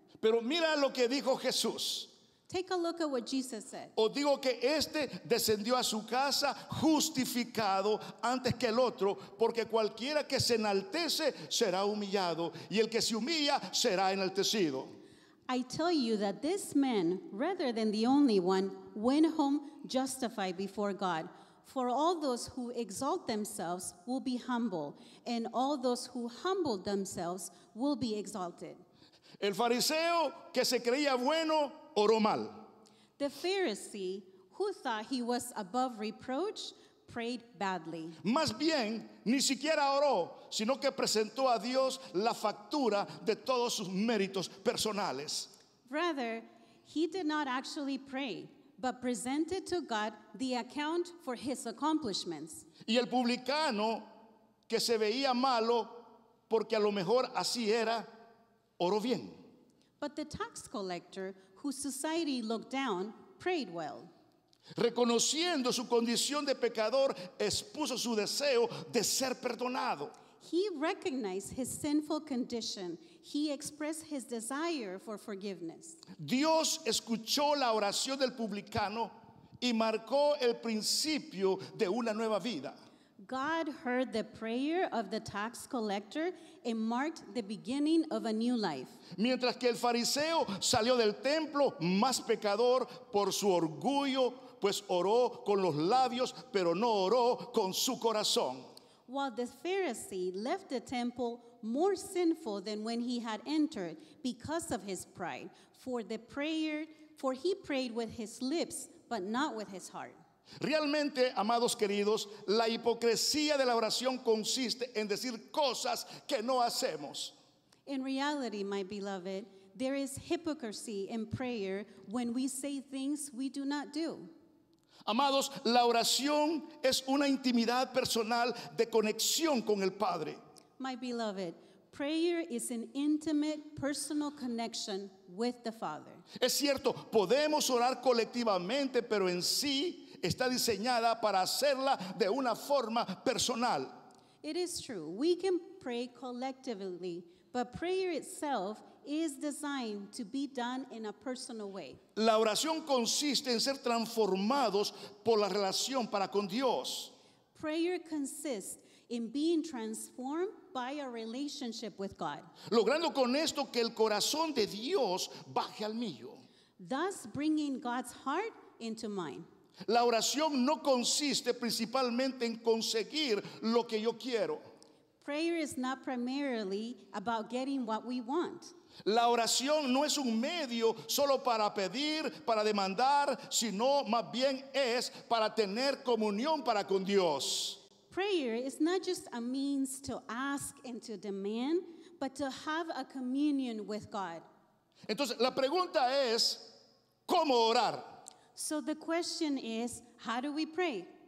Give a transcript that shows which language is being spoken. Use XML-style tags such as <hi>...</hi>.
<es>Pero mira lo que dijo Jesús.</es> <en>Take a look at what Jesus said.</en> <es>O digo que este descendió a su casa justificado antes que el otro, porque cualquiera que se enaltece será humillado, y el que se humilla será enaltecido.</es> <en>I tell you that this man, rather than the only one, went home justified before God. For all those who exalt themselves will be humble, and all those who humble themselves will be exalted.</en> <es>El fariseo que se creía bueno oró mal.</es> <en>The Pharisee, who thought he was above reproach, prayed badly.</en> <es>Más bien, ni siquiera oró, sino que presentó a Dios la factura de todos sus méritos personales.</es> <en>Rather, he did not actually pray, but presented to God the account for his accomplishments.</en> <es>Y el publicano, que se veía malo, porque a lo mejor así era, oró bien.</es> <en>But the tax collector, whose society looked down, prayed well.</en> <es>Reconociendo su condición de pecador, expuso su deseo de ser perdonado.</es> <en>He recognized his sinful condition. He expressed his desire for forgiveness.</en> <es>Dios escuchó la oración del publicano y marcó el principio de una nueva vida.</es> <en>God heard the prayer of the tax collector and marked the beginning of a new life.</en> <es>Mientras que el fariseo salió del templo más pecador por su orgullo, pues oró con los labios, pero no oró con su corazón.</es> <en>While the Pharisee left the temple more sinful than when he had entered because of his pride, for he prayed with his lips, but not with his heart.</en> <es>Realmente, amados queridos, la hipocresía de la oración consiste en decir cosas que no hacemos.</es> <en>In reality, my beloved, there is hypocrisy in prayer when we say things we do not do.</en> <es>Amados, la oración es una intimidad personal de conexión con el Padre.</es> <en>My beloved, prayer is an intimate personal connection with the Father.</en> <es>Es cierto, podemos orar colectivamente, pero en sí está diseñada para hacerla de una forma personal.</es> <en>It is true, we can pray collectively, but prayer itself is designed to be done in a personal way.</en> <es>La oración consiste en ser transformados por la relación para con Dios.</es> <en>Prayer consists in being transformed by a relationship with God.</en> <es>Logrando con esto que el corazón de Dios baje al mío.</es> <en>Thus bringing God's heart into mine.</en> <es>La oración no consiste principalmente en conseguir lo que yo quiero.</es> <en>Prayer is not primarily about getting what we want.</en> <es>La oración no es un medio solo para pedir, para demandar, sino más bien es para tener comunión para con Dios.</es> <en>Prayer is not just a means to ask and to demand, but to have a communion with God.</en> <es>Entonces, la pregunta es, ¿cómo orar?</es> <en>So the question is, how do we pray?</en>